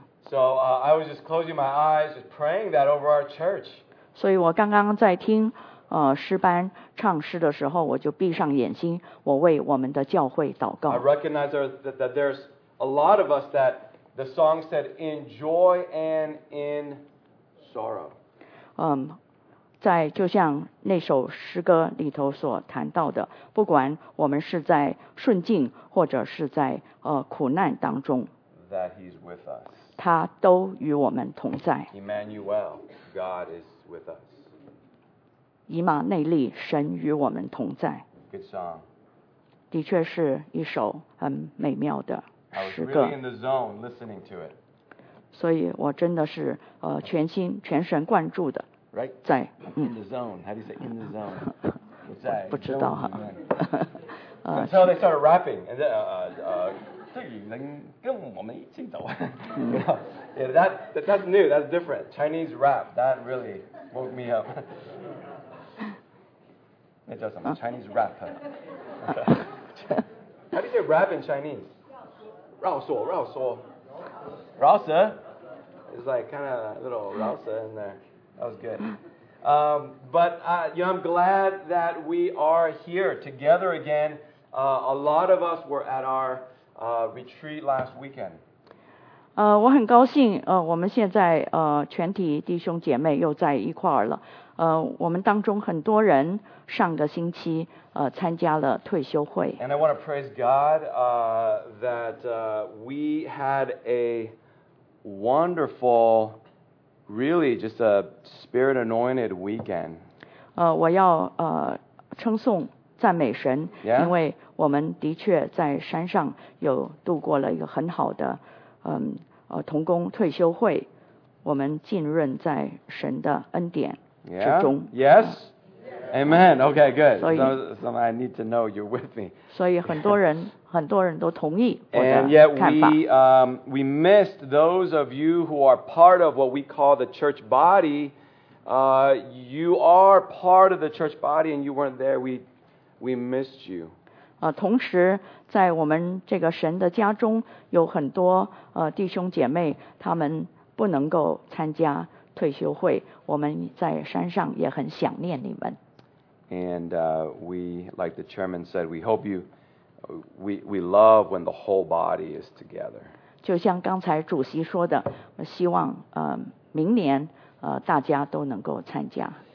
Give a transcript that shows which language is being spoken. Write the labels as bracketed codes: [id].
[en] So I was just closing my eyes, just praying that over our church. [zh] 所以我刚刚在听诗班唱诗的时候，我就闭上眼睛，我为我们的教会祷告。 [en] I recognize that there's a lot of us that the song said in joy and in sorrow. [zh] 在就像那首诗歌里头所谈到的，不管我们是在顺境或者是在苦难当中， [en] that he's with us. [zh] 他都与我们同在。 [en] Emmanuel, God is with us. [zh] 以马内利，神与我们同在。 [en] Good song. [zh] 的确是一首很美妙的诗歌。 [en] I was really in the zone listening to it. [zh] 所以我真的是全心全神贯注的在。 [en] Right. In the zone. How do you say in the zone? [zh] 在。不知道哈。 [en] Until they started rapping, and then [zh] 能跟我们一起走。 [en] Yeah, that's new. That's different. Chinese rap. That really woke me up. [zh] 那叫什么 ？ [en] Chinese rap. How do you say rap in Chinese? [zh] 绕舌，绕舌，绕舌。 [en] It's like kind of a little 绕舌 in there. That was good. But I'm glad that we are here together again. A lot of us were at our retreat last weekend. [zh] 我很高兴我们现在全体弟兄姐妹又在一块儿了。我们当中很多人上个星期参加了退休会。 [en] And I want to praise God that we had a wonderful, really just a spirit anointed weekend. [zh] 我要称颂赞美神， [en] yeah? [zh] 因为我们的确在山上有度过了一个很好的同工退休会，我们浸润在神的恩典。 [en] Yeah. Yes. Amen. Okay. Good. So I need to know you're with me. [zh] 所以很多人很多人都同意我的看法。 [en] And yet we missed those of you who are part of what we call the church body. You are part of the church body, and you weren't there. We missed you. [zh] 同时在我们这个神的家中有很多弟兄姐妹，他们不能够参加。退休会，我们在山上也很想念你们。 [en] And we, like the chairman said, we hope you, we love when the whole body is together. [zh] 就像刚才主席说的，我希望明年大家都能够参加。